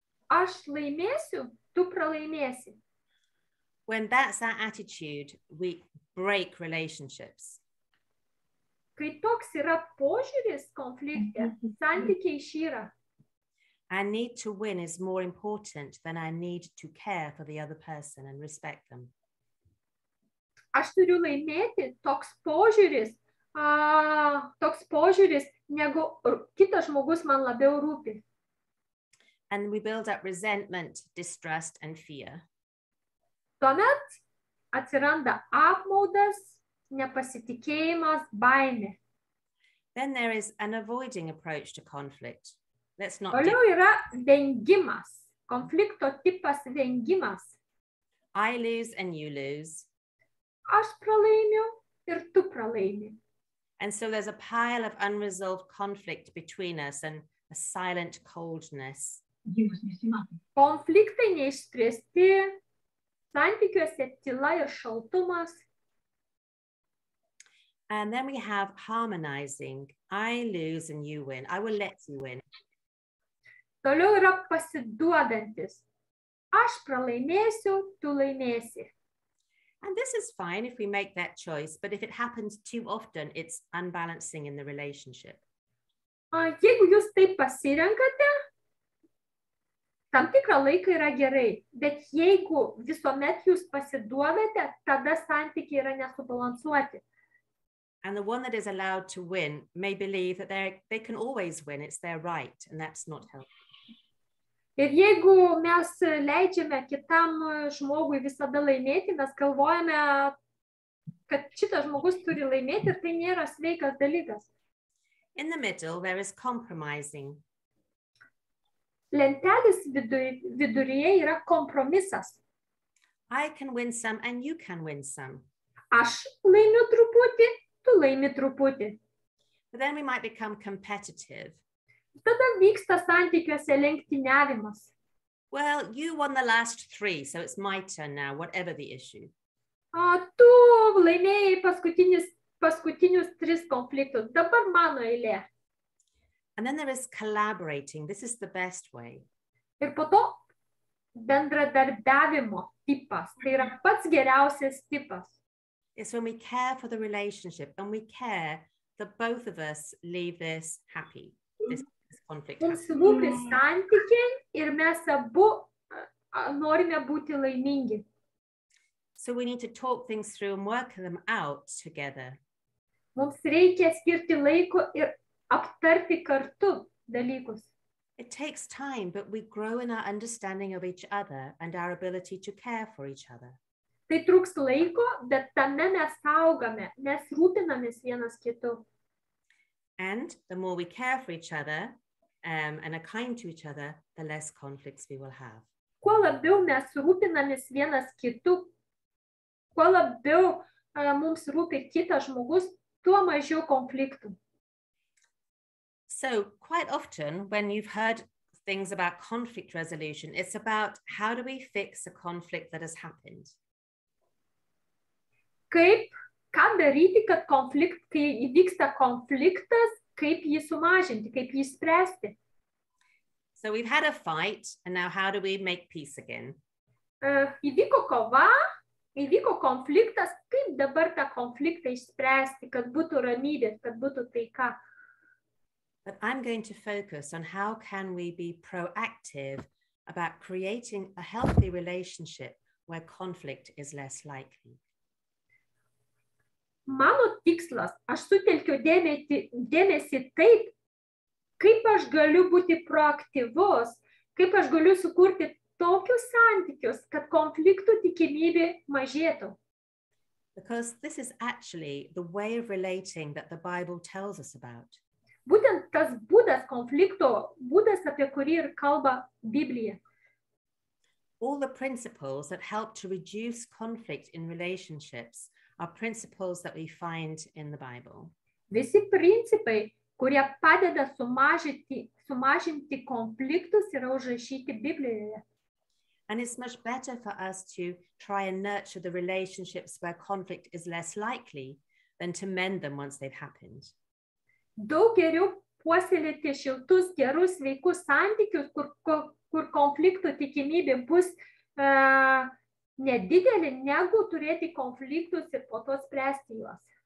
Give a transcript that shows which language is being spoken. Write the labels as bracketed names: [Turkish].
[Lithuanian] Aš laimėsiu, tu pralaimėsi. [English] When that's our attitude, we break relationships. [Lithuanian] Kai toks yra požiūris konflikte, santykiai išyra. [English] Our need to win is more important than our need to care for the other person and respect them. [Lithuanian] Aš turiu laimėti toks požiūris, negu kitas žmogus man labiau rūpi. [English] And we build up resentment, distrust, and fear. [Lithuanian] Tuomet atsiranda apmaudas, nepasitikėjimas, baimė. [English] Then there is an avoiding approach to conflict. Let's not. [Lithuanian] Toliau yra vengimas. Konflikto tipas vengimas. [English] I lose and you lose. [Lithuanian] Aš pralaimiu ir tu pralaimi. [English] And so there's a pile of unresolved conflict between us and a silent coldness. [Lithuanian] Konfliktai neišspręsti, santykiuose tyla ir šaltumas. [English] And then we have harmonizing. I lose and you win. I will let you win. [Lithuanian] Toliau yra pasiduodantis. Aš pralaimėsiu, tu laimėsi. [English] And this is fine if we make that choice, but if it happens too often, it's unbalancing in the relationship. [Lithuanian] Jeigu jūs taip pasirenkate, tam tikrą laiką yra gerai, bet jeigu visuomet jūs pasiduodate, tada santykiai yra nesubalansuoti. [English] And the one that is allowed to win may believe that they can always win, it's their right, and that's not helpful. [Lithuanian] Ir jeigu mes leidžiame kitam žmogui visada laimėti, mes galvojame, kad šitas žmogus turi laimėti, ir tai nėra sveikas dalykas. [English] In the middle, there is compromising. [Lithuanian] Lentelės viduryje yra kompromisas. [English] I can win some and you can win some. [Lithuanian] Aš laimiu truputį. Tu laimi truputį. [English] But then we might become competitive. [Lithuanian] Tada vyksta santykiuose lenktyniavimas. [English] Well, you won the last three, so it's my turn now, whatever the issue. [Lithuanian] Tu laimėjai paskutinius tris konfliktus. Dabar mano eilė. [English] And then there is collaborating. This is the best way. [Lithuanian] Ir po to bendradarbiavimo tipas. Tai yra pats geriausias tipas. [English] It's when we care for the relationship and we care that both of us leave this happy, this conflict. [Lithuanian] Mums rūpi santykiai ir mes abu norime būti laimingi. [English] So we need to talk things through and work them out together. [Lithuanian] Mums reikia skirti laiko ir aptarti kartu dalykus. [English] It takes time, but we grow in our understanding of each other and our ability to care for each other. [Lithuanian] Tai trūks laiko, bet tame mes augame, mes rūpinamės vienas kitu. [English] And the more we care for each other and are kind to each other, the less conflicts we will have. [Lithuanian] Kuo labiau mes rūpinamės vienas kitu, kuo labiau mums rūpi kitas žmogus, tuo mažiau konfliktų. [English] So, quite often, when you've heard things about conflict resolution, it's about how do we fix a conflict that has happened. [Lithuanian] Kaip, ką daryti, kad konflikt, kai įvyksta konfliktas, kaip jį sumažinti, kaip jį spręsti? [English] So we've had a fight, and now how do we make peace again? [Lithuanian] Įvyko kova, įvyko konfliktas, kaip dabar tą konfliktą išspręsti, kad būtų ramybė, kad būtų taika? [English] But I'm going to focus on how can we be proactive about creating a healthy relationship where conflict is less likely. [Lithuanian] Mano tikslas, aš sutelkiu dėmesį taip, kaip aš galiu būti proaktyvus, kaip aš galiu sukurti tokius santykius, kad konfliktų tikimybė mažėtų. [English] Because this is actually the way of relating that the Bible tells us about. [Lithuanian] Būtent tas būdas konflikto, būdas, apie kurį ir kalba Biblija. [English] All the principles that help to reduce conflict in relationships are principles that we find in the Bible. [Lithuanian] Visi principai, kurie padeda sumažinti konfliktus, yra užrašyti Biblijoje. [English] And it's much better for us to try and nurture the relationships where conflict is less likely than to mend them once they've happened. [Lithuanian] Daug geriau puoselėti šiltus, gerus, sveikus santykius, kur konfliktų tikimybė bus nedidelį, negu turėti konfliktus ir po to spręsti juos.